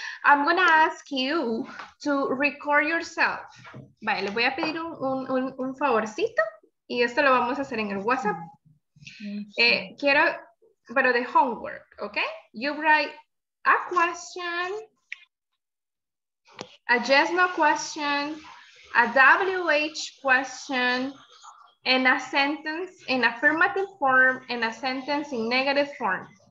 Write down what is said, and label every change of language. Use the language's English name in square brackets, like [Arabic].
[English] I'm going to ask you to record yourself. [Spanish] Vale, le voy a pedir un favorcito y esto lo vamos a hacer en el WhatsApp. Quiero, pero de homework, okay? [English] You write a question, a yes, no question, a WH question, and a sentence in affirmative form, and a sentence in negative form.